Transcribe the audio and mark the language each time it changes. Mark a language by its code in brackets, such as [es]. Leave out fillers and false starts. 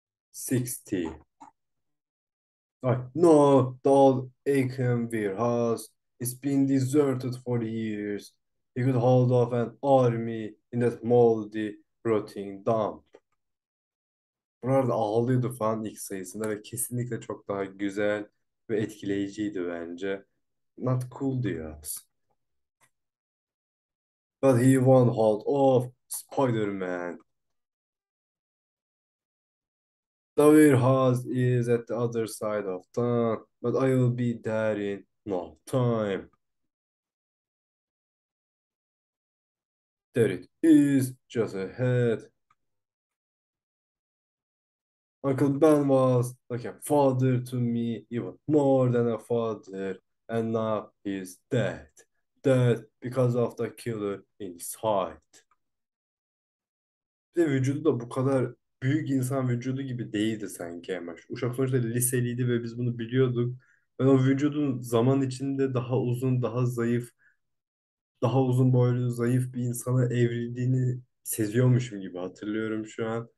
[en] 60. Like, no, the old Arkham warehouse. It's been deserted for years. He could hold off an army in that moldy, rotting dump. [tr] Burada ağlıyordu falan ilk sayısında ve kesinlikle çok daha güzel ve etkileyiciydi bence. [en] Not cool [tr] diyoruz. [en] But he won't hold off Spider-Man. The warehouse is at the other side of town, but I will be there in no time. There it is, just ahead. Uncle Ben was like a father to me, even more than a father, and now he's dead. Dead because of the killer inside. [tr] Ve vücudu da bu kadar büyük insan vücudu gibi değildi sanki ama. Uşak sonuçta liseliydi ve biz bunu biliyorduk. Ben o vücudun zaman içinde daha uzun, daha zayıf, daha uzun boylu, zayıf bir insana evrildiğini seziyormuşum gibi hatırlıyorum şu an.